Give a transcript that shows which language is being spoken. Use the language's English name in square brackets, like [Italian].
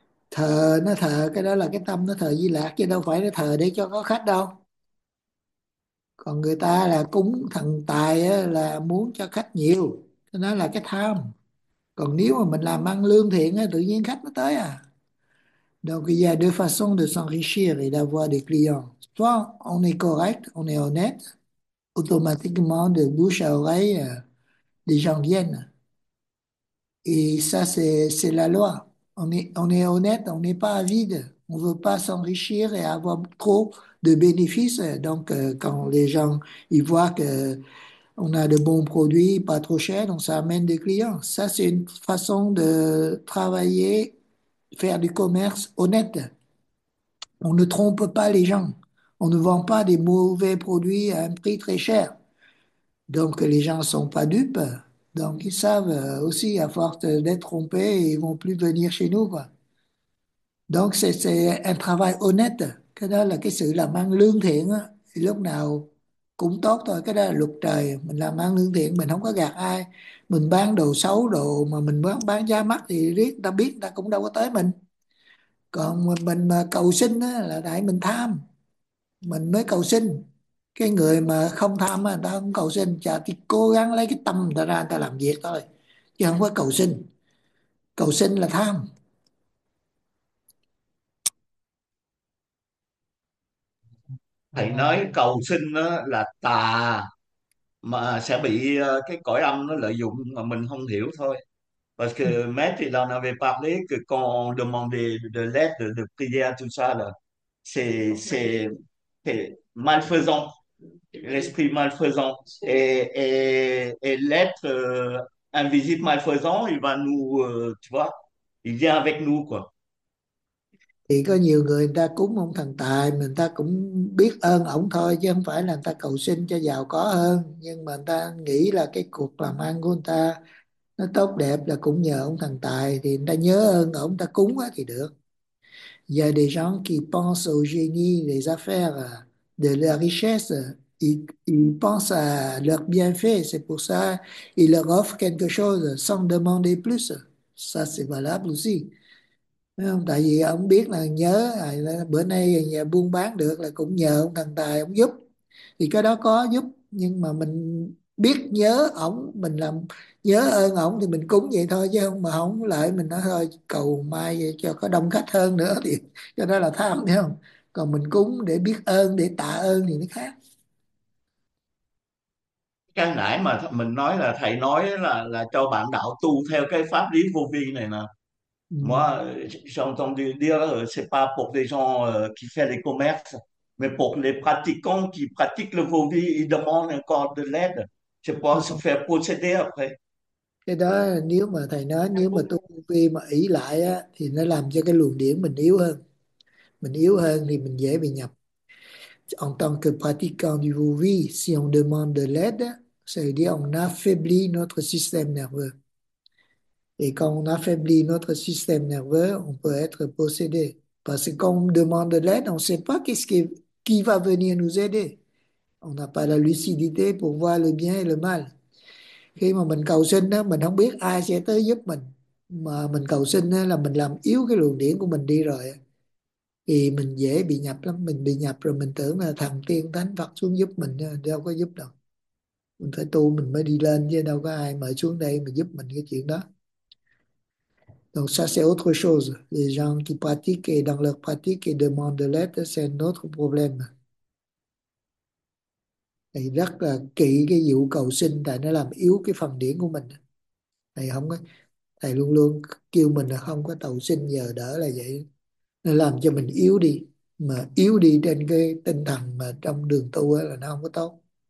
[Vietnamese] thờ, nó thờ cái đó là cái tâm nó thờ Di Lặc chứ đâu phải nó thờ để cho có khách đâu. Còn người ta là cúng thần tài á, là muốn cho khách nhiều, nó là cái tham. Còn nếu mà mình làm ăn lương thiện á, tự nhiên khách nó tới à. [French] Donc il y a deux façons de s'enrichir et d'avoir des clients. Soit on est correct, on est honnête, automatiquement de bouche à oreille, les gens viennent. Et ça, c'est la loi. On est honnête, on n'est pas avide, on ne veut pas s'enrichir et avoir trop de bénéfices. Donc, quand les gens ils voient que on a de bons produits, pas trop cher, donc ça amène des clients. Ça, c'est une façon de travailler, faire du commerce honnête. On ne trompe pas les gens. On ne vend pas des mauvais produits à un prix très cher. Donc, les gens ne sont pas dupes. Donc, ils savent aussi, à force d'être trompés, ils vont plus venir chez nous, quoi. Donc, c'est un travail honnête. [Vietnamese] Cái đó là cái sự làm ăn lương thiện á. Lúc nào cũng tốt thôi. Cái đó là luật trời. Mình làm ăn lương thiện, mình không có gạt ai. Mình bán đồ xấu, đồ mà mình bán giá mắc thì riết người ta biết, người ta cũng đâu có tới mình. Còn mình mà cầu xin á, là tại mình tham. Mình mới cầu xin. Cái người mà không tham á, ta không cầu xin, chả thì cố gắng lấy cái tâm ta ra ta làm việc thôi chứ không có cầu xin. Cầu xin là tham. Thầy nói cầu sinh là tà mà sẽ bị cái cõi âm nó lợi dụng mà mình không hiểu thôi. [French] Parce que maître il en avait parlé que quand on demandait de l'aide, de prière, tout ça, là c'est malfaisant, l'esprit malfaisant. Et l'être invisible malfaisant, il va nous, tu vois, il vient avec nous, quoi. [Vietnamese] Thì có nhiều người người ta cúng ông thần tài, người ta cũng biết ơn ổng thôi chứ không phải là người ta cầu xin cho giàu có hơn, nhưng mà người ta nghĩ là cái cuộc làm ăn của người ta nó tốt đẹp là cũng nhờ ông thần tài, thì người ta nhớ ơn ổng, người ta cúng quá thì được. [French] Il y a des gens qui pensent au génie, les affaires de la richesse, ils pensent à leurs bienfaits, c'est pour ça qu'ils leur offrent quelque chose sans demander plus. Ça, c'est valable aussi. [Vietnamese] Tại vì ông biết là nhớ bữa nay nhà buôn bán được là cũng nhờ ông thần tài ông giúp, thì cái đó có giúp, nhưng mà mình biết nhớ ổng, mình làm nhớ ơn ổng thì mình cúng vậy thôi, chứ không mà không lại mình nói thôi cầu mai cho có đông khách hơn nữa thì cái đó là tham, thấy không? Còn mình cúng để biết ơn, để tạ ơn thì nó khác. Cái nãy mà mình nói là thầy nói là cho bạn đạo tu theo cái pháp lý vô vi này nè. [French] Moi, j'ai entendu dire c'est pas pour les gens qui font les commerces, mais pour les pratiquants qui pratiquent le vô vi, ils demandent encore de l'aide. C'est pour se faire posséder après. [Vietnamese] Cái đó nếu mà thầy nói, nếu mà tu vi mà ỷ lại á, thì nó làm cho cái luồng điển mình yếu hơn. Mình yếu hơn thì mình dễ bị nhập. [French] En tant que pratiquant du vô vi, si on demande de l'aide, ça veut dire on affaiblit notre système nerveux. Et quand on affaiblit notre système nerveux, on peut être possédé. Parce que quand on demande de l'aide, on ne sait pas qui va venir nous aider. On n'a pas la lucidité pour voir le bien et le mal. [Vietnamese] Khi mà mình cầu xin đó, mình không biết ai sẽ tới giúp mình. Mà mình cầu xin đó, là mình làm yếu cái luồng điển của mình đi rồi. Thì mình dễ bị nhập lắm. Mình bị nhập rồi mình tưởng là thần tiên thánh Phật xuống giúp mình. Đâu có giúp đâu. Mình phải tu mình mới đi lên chứ đâu có ai mời xuống đây mà giúp mình cái chuyện đó. [French] Donc ça c'est autre chose. Les gens qui pratiquent et dans leur pratique et demandent de l'aide, c'est un autre problème. [Vietnamese] Thầy rất là kỹ cái vụ cầu sinh, tại nó làm yếu cái phần điển của mình. Thầy không có Thầy luôn luôn kêu mình là không có tàu sinh giờ đỡ là vậy, nó làm cho mình yếu đi, mà yếu đi trên cái tinh thần mà trong đường tu ấy là nó không có tốt.